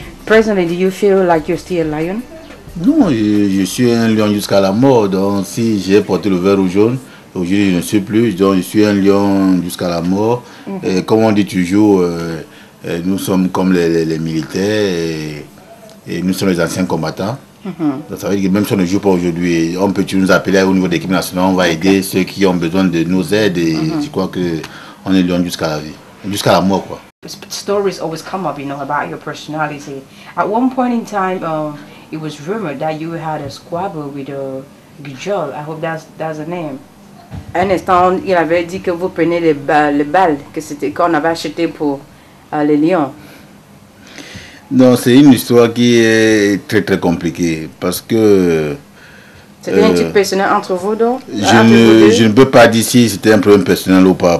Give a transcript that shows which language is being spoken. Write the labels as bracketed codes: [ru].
[en] Presently, do you feel like you're still a lion? [fr] Non, je suis un lion jusqu'à la mort. Donc, si j'ai porté le vert ou jaune, aujourd'hui, je ne suis plus. Donc, je suis un lion jusqu'à la mort. Mm-hmm. Et comme on dit toujours, nous sommes comme les militaires et nous sommes les anciens combattants. Mm-hmm. Donc, ça veut dire que même si on ne joue pas aujourd'hui, on peut nous appeler au niveau de l'équipe nationale, on va aider ceux qui ont besoin de nos aides. Et je crois que. On est lion jusqu'à la vie, jusqu'à la mort, quoi. [en] Stories always come up, you know, about your personality. At one point in time, it was rumored that you had a squabble with Gujol. I hope that's the name. [fr] Un instant, il avait dit que vous prenez les balles que c'était qu'on avait acheté pour les lions. Non, c'est une histoire qui est très très compliquée parce que. C'était un truc personnel entre vous donc? Je ne peux pas dire si c'était un problème personnel ou pas.